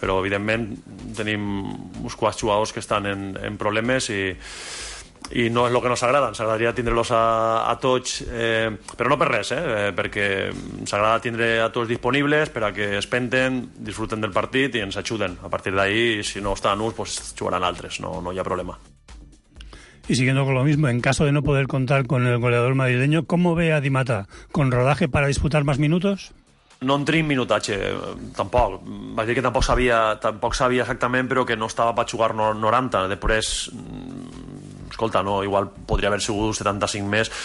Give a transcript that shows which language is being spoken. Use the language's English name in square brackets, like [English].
[Catalan] Però evidentment tenim uns quants jugadors que estan en problemes i no és el que ens agrada. Ens agradaria tindre-los a tots, però no per res, perquè ens agrada tindre a tots disponibles per a que es penten, disfruten del partit i ens ajuden. A partir d'ahí, si no estan uns, pues jugaran altres, no hi ha problema. [Spanish] Y siguiendo con lo mismo, en caso de no poder contar con el goleador madrileño, ¿cómo ve a Di Mata? ¿Con rodaje para disputar más minutos? [Catalan] No entri en minutatge, tampoc. Vaig dir que tampoc sabia exactament, però que no estava per jugar 90. Després, escolta, no, igual podria haver sigut 75 més.